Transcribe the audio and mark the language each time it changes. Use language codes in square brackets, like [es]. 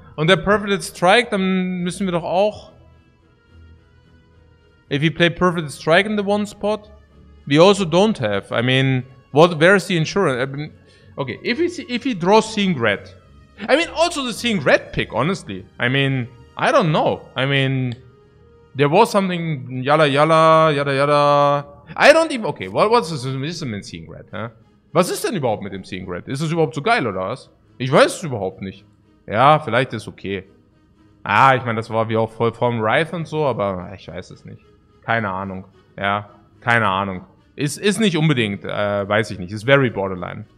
[de] Und der Perfect Strike, dann müssen wir doch auch... [en] If we play Perfect Strike in the one spot, we also don't have. I mean, where's the insurance? I mean, okay, if he draws Seeing Red. I mean, also the Seeing Red pick, honestly. I mean, I don't know. I mean, there was something, yala yala, yada yada. I don't even, okay, what's this mit Seeing Red? Huh? [de] Was ist denn überhaupt mit dem Seeing Red? Ist es überhaupt so geil oder was? Ich weiß es überhaupt nicht. Ja, vielleicht ist okay. Ah, ich meine, das war wie auch voll vom Rife und so, aber ich weiß es nicht. Keine Ahnung. Ja, keine Ahnung. Ist nicht unbedingt, weiß ich nicht. Ist [en] very borderline.